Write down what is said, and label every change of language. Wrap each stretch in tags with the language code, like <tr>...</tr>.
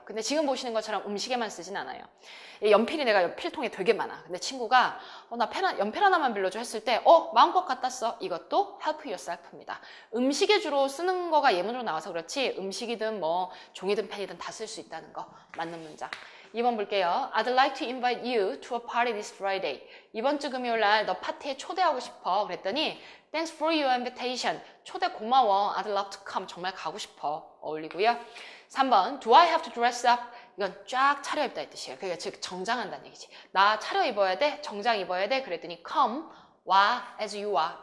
<ko>근데 지금 보시는 것처럼 음식에만 쓰진 않아요. 연필이 내가 필통에 되게 많아. 근데 친구가, 나 연필 하나만 빌려줘 했을 때, 마음껏 갖다 써.</ko> <en>이것도 help yourself입니다.</en> <ko>음식에 주로 쓰는 거가 예문으로 나와서 그렇지, 음식이든 뭐, 종이든 펜이든 다쓸수 있다는 거. 맞는 문장. 2번 볼게요.</ko> <en>I'd like to invite you to a party this Friday.</en> <ko>이번 주 금요일날 너 파티에 초대하고 싶어. 그랬더니,</ko> <en>Thanks for your invitation.</en> <ko>초대 고마워.</ko> <en>I'd love to come.</en> <ko>정말 가고 싶어. 어울리고요. 3번,</ko> <en>Do I have to dress up?</en> <ko>이건 쫙 차려입다 이 뜻이에요. 그게 즉 정장한다는 얘기지. 나 차려입어야 돼? 정장 입어야 돼? 그랬더니, Come, 와, as you are.</ko>